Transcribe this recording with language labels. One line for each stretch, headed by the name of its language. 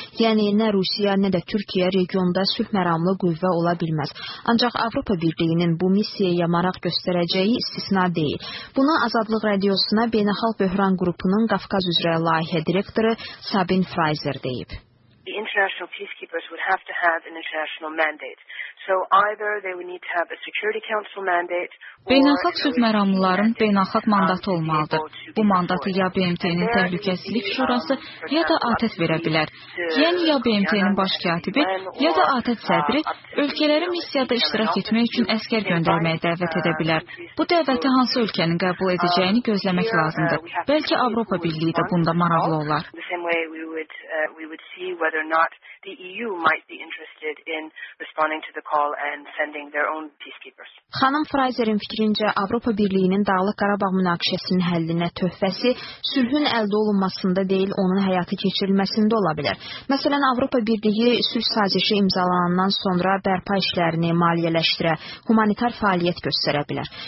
Azerbaijani: Yəni, nə Rusiya, nə də Türkiyə regionda sülh məramlı qüvvə ola bilməz. Ancaq Avropa Birliyinin bu missiyaya maraq göstərəcəyi istisna deyil. Buna Azadlıq Radiosuna Beynəlxalq Böhran Qrupunun Qafqaz üzrə layihə direktoru Sabin Fraser deyib.
English: The international peacekeepers would have to have an international mandate. So either they would need to have a Security Council mandate.
Azerbaijani: Beynəlxalq sülh məramlıların beynəlxalq mandatı olmalıdır. Bu mandatı ya BMT-nin Təhlükəsizlik Şurası, ya da ATƏT verə bilər. Yəni, ya BMT-nin baş katibi, ya da ATƏT sədri ölkələri missiyada iştirak etmək üçün əsgər göndərməyə dəvət edə bilər. Bu dəvəti hansı ölkənin qəbul edəcəyini gözləmək lazımdır. Bəlkə Avropa Birliyi də bunda maraqlı olar.
English: We would see whether or not the EU might be interested in responding to the call. call and sending their own peacekeepers.
Azerbaijani: Xanım Fraser'in fikrincə, Avropa Birliyinin Dağlıq Qarabağ münaqişəsinin həllinə töhfəsi sülhün əldə olunmasında deyil, onun həyata keçirilməsində ola bilər. Məsələn, Avropa Birliyi sülh sazişi imzalanandan sonra bərpa işlərini maliyyələşdirə, humanitar fəaliyyət göstərə bilər.